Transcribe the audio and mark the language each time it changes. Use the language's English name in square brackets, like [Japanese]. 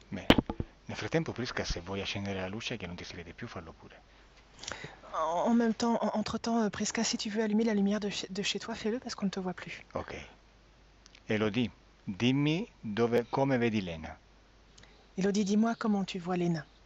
[Italian] Nel frattempo, Prisca, se vuoi accendere la luce che non ti si vede più, fallo pure. [French] En même temps, entre-temps, Prisca, si tu veux allumer la lumière de chez toi, fais-le parce qu'on ne te voit plus. [Italian] Ok. Elodie, dimmi dove, come vedi Lena. [French] Elodie, dis-moi comment tu vois Lena.